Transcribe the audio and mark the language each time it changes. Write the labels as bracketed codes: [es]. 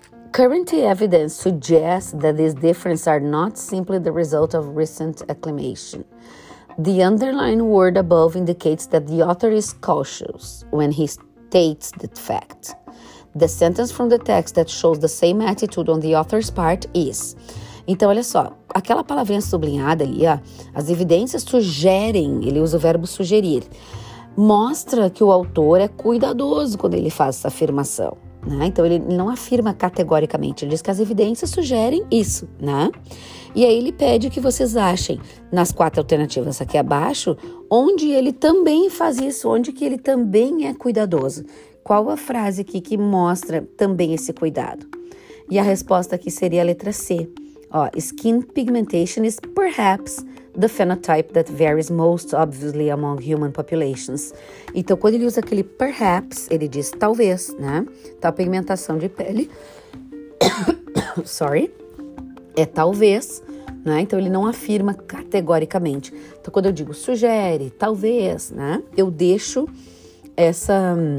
[en] Current evidence suggests that these differences are not simply the result of recent acclimation. The underlying word above indicates that the author is cautious when he states the fact. The sentence from the text that shows the same attitude on the author's part is... [pt] Então, olha só, aquela palavrinha sublinhada ali, ó, as evidências sugerem, ele usa o verbo sugerir, mostra que o autor é cuidadoso quando ele faz essa afirmação, né? Então, ele não afirma categoricamente, ele diz que as evidências sugerem isso, né? E aí, ele pede que vocês achem, nas quatro alternativas aqui abaixo, onde ele também faz isso, onde que ele também é cuidadoso. Qual a frase aqui que mostra também esse cuidado? E a resposta aqui seria a letra C. [en] Ó, skin pigmentation is perhaps the phenotype that varies most obviously among human populations. [pt] Então, quando ele usa aquele perhaps, ele diz talvez, né? Então, a pigmentação de pele, sorry, é talvez, né? Então, ele não afirma categoricamente. Então, quando eu digo sugere, talvez, né? Eu deixo essa...